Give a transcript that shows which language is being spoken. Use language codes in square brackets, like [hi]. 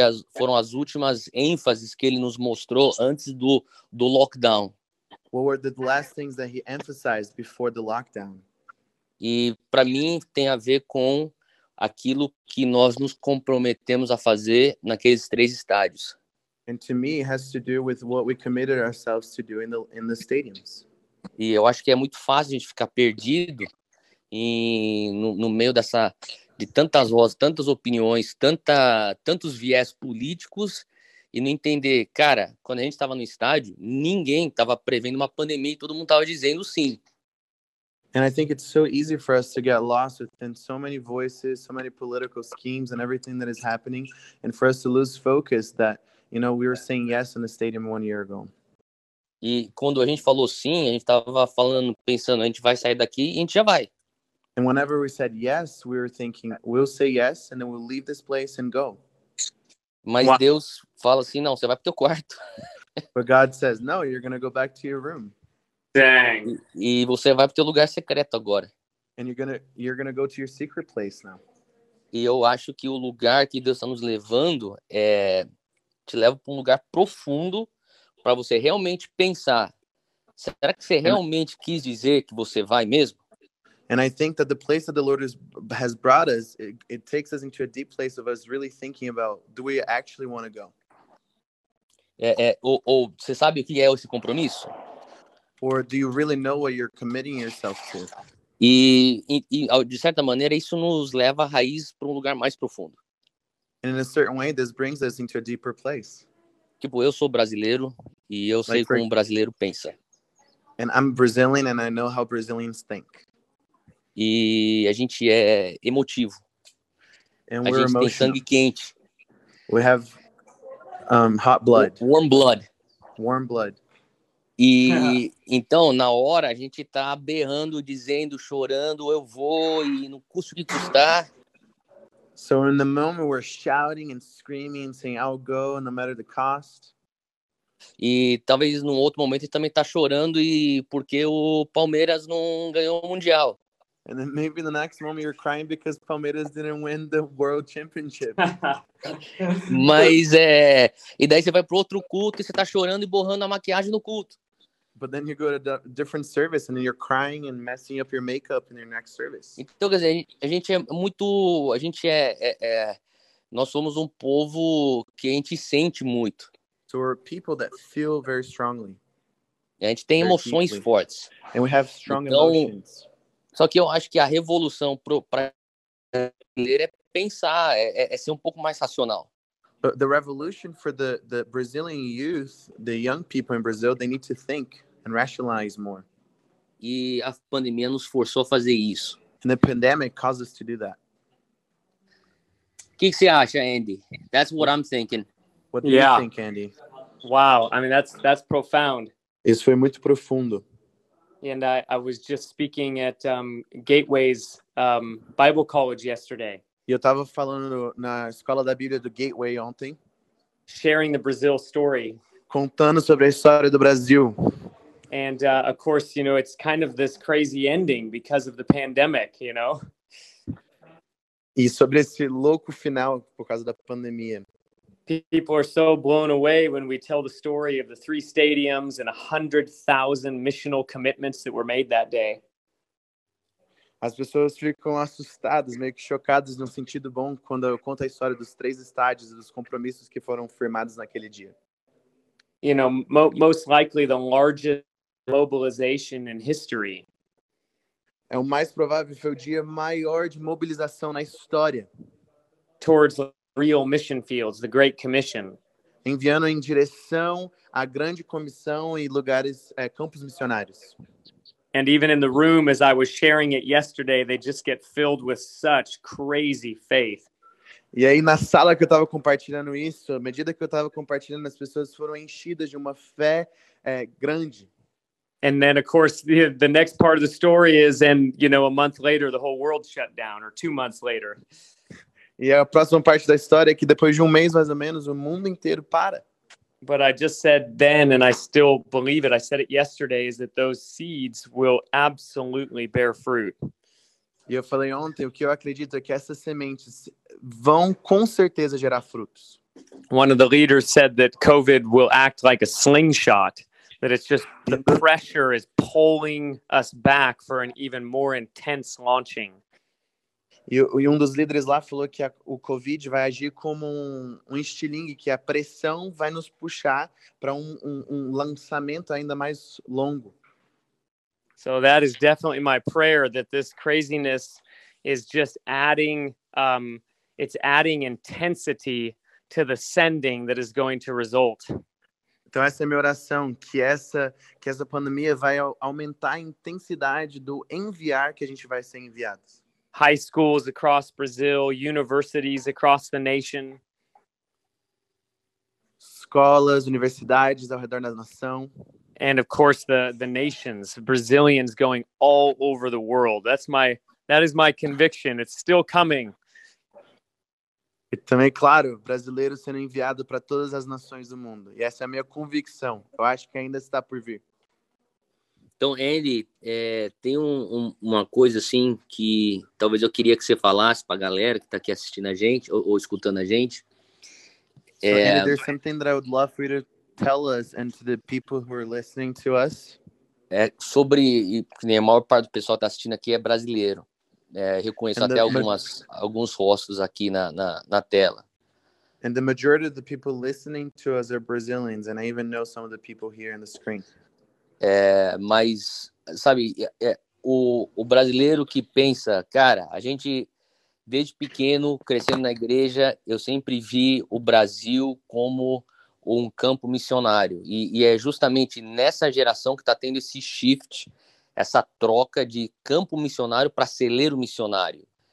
[pt] Foram as últimas ênfases que ele nos mostrou antes do lockdown? [en] What were the last things that he emphasized before the lockdown? [pt] E para mim tem a ver com aquilo que nós nos comprometemos a fazer naqueles três estádios. [en] And to me, it has to do with what we committed ourselves to do in the stadiums. [pt] E eu acho que é muito fácil a gente ficar perdido em, no, no meio dessa, de tantas vozes, tantas opiniões, tanta, tantos viés políticos e não entender, cara, quando a gente estava no estádio, ninguém estava prevendo uma pandemia e todo mundo estava dizendo sim. [en] And I think it's so easy for us to get lost within so many voices, so many political schemes and everything that is happening, and for us to lose focus that, you know, we were saying yes in the stadium one year ago. [pt] E quando a gente falou sim, a gente estava falando, pensando, a gente vai sair daqui e a gente já vai. [en] And whenever we said yes, we were thinking, we'll say yes and then we'll leave this place and go. [pt] Mas wow. Deus fala assim, não, você vai pro teu quarto. [en] But God says, no, you're going to go back to your room. Dang. [pt] E você vai pro teu lugar secreto agora. [en] And you're gonna go to your secret place now. [pt] E eu acho que o lugar que Deus está nos levando é, te leva para um lugar profundo para você realmente pensar. Será que você realmente quis dizer que você vai mesmo? [en] And I think that the place that the Lord has brought us, it takes us into a deep place of us really thinking about, do we actually want to go? [pt] Ou você sabe o que é esse compromisso? [en] Or do you really know what you're committing yourself to? [pt] E de certa maneira, isso nos leva a raiz para um lugar mais profundo. [en] And in a certain way, this brings us into a deeper place. [pt] Tipo, eu sou brasileiro e eu [en] like [pt] sei como um brasileiro pensa. [en] And I'm Brazilian and I know how Brazilians think. [pt] E a gente é emotivo. [en] And [pt] a [en] we're [pt] gente [en] emotional. [pt] Tem sangue quente. [en] We have hot blood. Warm blood. Warm blood. [pt] E então, na hora, a gente tá berrando, dizendo, chorando, eu vou, e no custo que custar. [en] So in the moment we're shouting and screaming and saying I'll go no matter the cost. [pt] E talvez num outro momento ele também tá chorando e porque o Palmeiras não ganhou o mundial. [en] And then maybe the next moment you're crying because Palmeiras didn't win the world championship. [pt] Mas é, e daí você vai pro outro culto e você tá chorando e borrando a maquiagem no culto. [en] But then you go to a different service and then you're crying and messing up your makeup in your next service. [pt] Então, quer dizer, a gente é muito, a gente é, nós somos um povo que a gente sente muito. [en] So we're people that feel very strongly. [pt] E a gente tem emoções [en] deeply. [pt] Fortes. [en] And we have strong [pt] então, [en] emotions. [pt] Só que eu acho que a revolução para ler é pensar, é ser um pouco mais racional. [en] But the revolution for the Brazilian youth, the young people in Brazil, they need to think and rationalize more. [pt] E a pandemia nos forçou a fazer isso. [en] And the pandemic caused us to do that. [pt] Que você acha, Andy? [en] That's what I'm thinking. What do you think, Andy? Wow, I mean, that's profound. [pt] Isso foi muito profundo. [en] And I was just speaking at Gateway's Bible College yesterday. [pt] Eu estava falando na escola da Bíblia do Gateway ontem. [en] Sharing the Brazil story. [pt] Contando sobre a história do Brasil. [en] And of course, you know, it's kind of this crazy ending because of the pandemic, you know. [pt] E sobre esse louco final por causa da pandemia. [en] People are so blown away when we tell the story of the 3 stadiums and 100,000 missional commitments that were made that day. [pt] As pessoas ficam assustadas, meio que chocadas no sentido bom quando eu conto a história dos 3 estádios e dos compromissos que foram firmados naquele dia. [en] You know, most likely the largest mobilization in history. [pt] É o mais provável foi o dia maior de mobilização na história. [en] Towards real mission fields, the Great Commission. [pt] Enviando em direção à Grande Comissão e lugares, campos missionários. [en] And even in the room, as I was sharing it yesterday, they just get filled with such crazy faith. [pt] E aí na sala que eu estava compartilhando isso, à medida que eu estava compartilhando, as pessoas foram enchidas de uma fé grande. [en] And then, of course, the next part of the story is, and you know, a month later, the whole world shut down, or 2 months later. [pt] E a próxima parte da história é que depois de um mês, mais ou menos, o mundo inteiro para. [en] But I just said then, and I still believe it, I said it yesterday, is that those seeds will absolutely bear fruit. [pt] E eu falei ontem, o que eu acredito é que essas sementes vão com certeza gerar frutos. [en] One of the leaders said that COVID will act like a slingshot, that it's just the pressure is pulling us back for an even more intense launching. [pt] E um dos líderes lá falou que o Covid vai agir como um estilingue, que a pressão vai nos puxar para um lançamento ainda mais longo. [en] So that is definitely my prayer, that this craziness is just adding, it's adding intensity to the sending that is going to result. [pt] Então essa é a minha oração, que essa pandemia vai aumentar a intensidade do enviar que a gente vai ser enviado. [en] High schools across Brazil, universities across the nation. [pt] Escolas, universidades ao redor da nação. [en] And of course the nations, Brazilians going all over the world. That is my conviction. It's still coming. [pt] E também, claro, brasileiro sendo enviado para todas as nações do mundo. E essa é a minha convicção. Eu acho que ainda está por vir. Então, Andy, tem uma coisa assim que talvez eu queria que você falasse para a galera que está aqui assistindo a gente ou escutando a gente. [en] Andy, there's something that I would love for you to tell us and to the people who are listening to us. [pt] É sobre, a maior parte do pessoal que está assistindo aqui é brasileiro. Reconheço até alguns rostos aqui na tela. [en] And the majority of the people listening to us are Brazilians, and I even know some of the people here on the screen. [pt] Mas, sabe, o brasileiro que pensa, cara, a gente, desde pequeno, crescendo na igreja, eu sempre vi o Brasil como um campo missionário. E é justamente nessa geração que está tendo esse shift, essa troca de campo missionário para celeiro missionário.